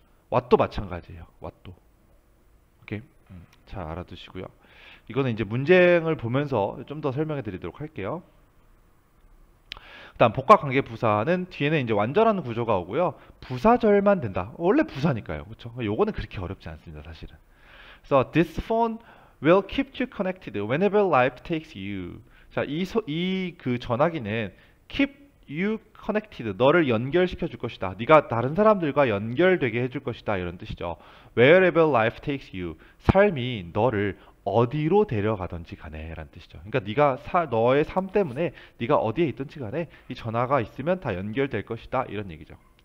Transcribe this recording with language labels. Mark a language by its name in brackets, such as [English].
[Korean] What도 마찬가지예요. What도. 오케이? 잘 알아두시고요. 이거는 이제 문장을 보면서 좀더 설명해 드리도록 할게요. 일단 복합관계 부사는 뒤에는 이제 완전한 구조가 오고요. 부사절만 된다. 원래 부사니까요. 그쵸? 요거는 그렇게 어렵지 않습니다, 사실은. [English] So this phone will keep you connected whenever life takes you. [Korean] 자, 이그 전화기는 [English] keep you connected. [Korean] 너를 연결시켜 줄 것이다. 네가 다른 사람들과 연결되게 해줄 것이다. 이런 뜻이죠. [English] Wherever life takes you. [Korean] 삶이 너를 어디로 데려가든지 간에 라는 뜻이죠. 그러니까 네가 너의 삶 때문에 네가 어디에 있든지 간에 이 전화가 있으면 다 연결될 것이다 이런 얘기죠.